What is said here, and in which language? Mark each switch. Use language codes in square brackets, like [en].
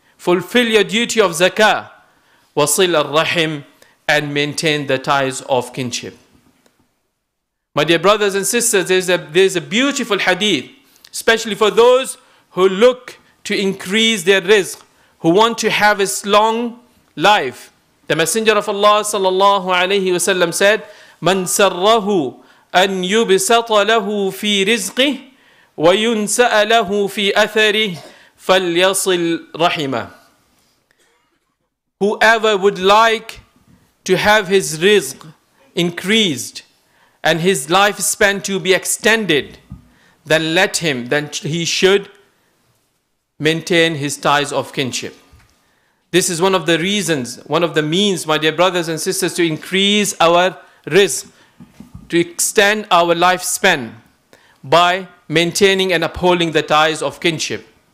[en] Fulfill your duty of zakah. [ar] وصل الرحم, [en] and maintain the ties of kinship. My dear brothers and sisters, there's a beautiful hadith, especially for those who look to increase their rizq, who want to have a long life. The Messenger of Allah sallallahu alayhi wa sallam said, [ar] من سره أن يبسط له في رزقه وينسأ له في أثره فليصل رحمه. [en] Whoever would like to have his rizq increased and his lifespan to be extended, then he should maintain his ties of kinship. This is one of the reasons, one of the means, my dear brothers and sisters, to increase our rizq, to extend our lifespan by maintaining and upholding the ties of kinship.